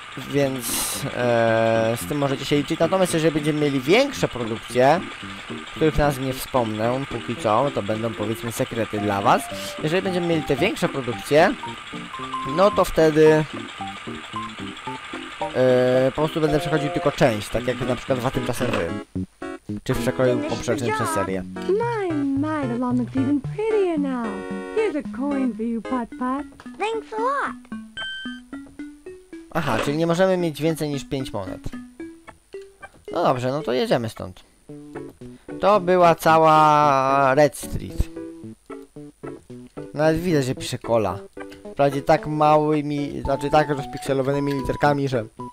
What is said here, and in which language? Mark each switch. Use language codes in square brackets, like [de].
[pl] Więc z tym możecie się liczyć. Natomiast jeżeli będziemy mieli większe produkcje, których nazw nie wspomnę póki co, to będą powiedzmy sekrety dla was. Jeżeli będziemy mieli te większe produkcje, no to wtedy po prostu będę przechodził tylko część, tak jak na przykład dwa tymczasem wy. Czy w przekroju poprzecznym przez serię. [en] My, the lawn looks even prettier now. Here's a coin for you, Pat-Pat. Thanks a lot. [pl] Aha, czyli nie możemy mieć więcej niż 5 monet. No dobrze, no to jedziemy stąd. To była cała Red Street. Nawet widzę, że pisze Cola. Wprawdzie tak małymi, znaczy tak rozpikselowanymi literkami, że...